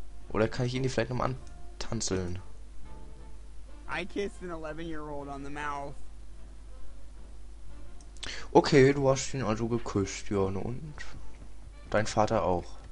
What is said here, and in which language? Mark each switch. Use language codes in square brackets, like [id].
[de] Oder kann ich ihn die vielleicht noch mal antanzeln? [en] I kissed an 11-year-old on the mouth. [de] Okay, du hast ihn also geküsst, ja, und dein Vater auch.